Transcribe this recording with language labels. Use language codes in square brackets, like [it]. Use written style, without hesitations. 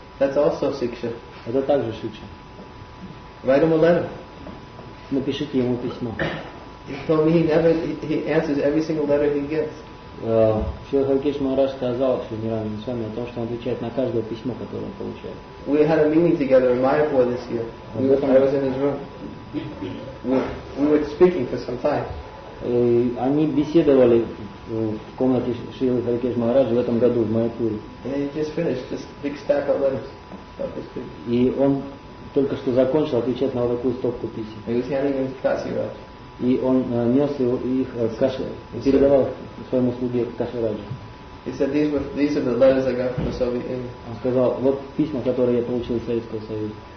[en] That's also siksha. [ru] Это также шикша. [en] Write him a letter. [ru] Напишите ему письмо. [en] He told me he answers every single letter he gets. [ru] Шрила Харикеша Махарадж сказал Шринирану Госвами о том, что он отвечает на каждое письмо, которое он получает. [en] We had a meeting together in Mayapur this year. I was in his room. We were speaking for some time. [ru] Они беседовали в комнате Шрилы Харикеша Махараджа в этом году в Майяпуре. [en] And he just finished this big stack of letters. [ru] И он только что закончил отвечать на вот такую стопку писем. [en] He was handing them to Kasiraj. [ru] И он нес его, их в каше, передавал своему слуге Кашираджу. Он сказал, вот письма, которые я получил из Советского Союза.